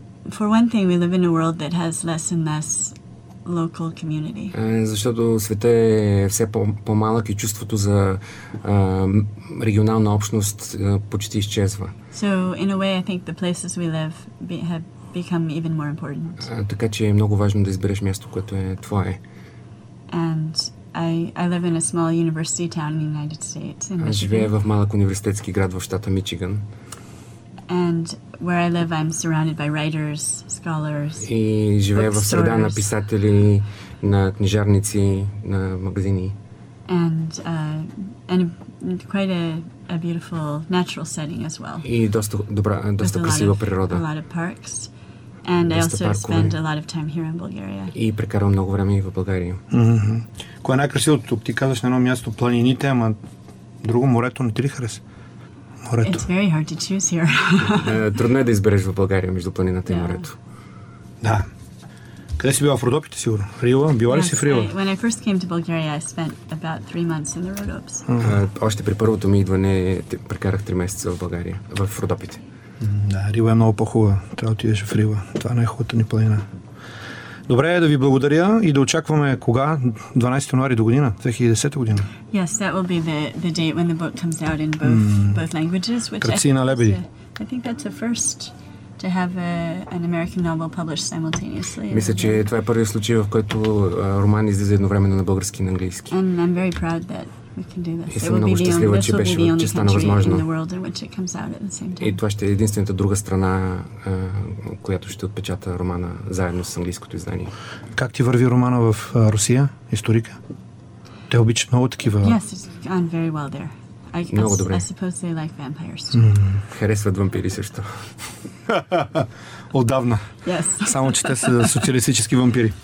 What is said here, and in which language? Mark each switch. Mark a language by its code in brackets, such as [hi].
[en] For one thing, we live in a world that has less and less local community. [bg] Защото света е все по-малък и чувството за регионална общност почти изчезва. [en] So, in a way, I think the places we live have become even more important. [bg] Така че е много важно да избереш място, което е твое. [en] And I live in a small university town in the United States. [bg] Аз живея в малък университетски град в щата Мичиган. [en] And where I live, I'm surrounded by writers, scholars. [bg] И живея в среда на писатели, на книжарници, на магазини. [en] And quite a beautiful natural setting as well. [bg] И доста красива природа. [en] A lot of parks. And I also [bg] паркове. [en] Spend a lot of time here in Bulgaria. [bg] И прекарвам много време и в България. Mm-hmm. Кое е най-красивото тук? Ти казваш на едно място планините, ама друго морето не ти ли хареса? Морето. [en] It's very hard to choose here. [bg] Трудно е да избереш в България между планината и морето. Да. Къде си била в Родопите, сигурно? Рила? Била ли си в Рила? [en] When I first came to Bulgaria, I spent about 3 months in the Rodopes. [bg] Още при първото ми идване прекарах 3 месеца в България, в Родопите. Да, Рила е много по-хубава. Трябва да отидеш в Рила. Това е най-хубата ни планина. Добре е да ви благодаря и да очакваме кога? 12 януари до година? 2010 година? [en] Yes, that will be the date when the book comes out in both languages. [bg] Кръци на лебеди. [en] I think that's a first to have an American novel published simultaneously. [bg] Мисля, че това е първият случай, в който роман излиза едновременно на български и на английски. [en] And I'm very proud that We can do this. It will be the only country in the world in which it comes out at the same time. [bg] И това ще е единствената друга страна, която ще отпечата романа заедно с английското издание. Как ти върви романа в Русия, историка? Те обичат много такива... [en] Yes, it's gone very well there. [bg] Много добре. [en] I suppose they like vampires. [bg] Харесват вампири също. Отдавна. [en] Yes. [bg] Само, че те са социалистически вампири.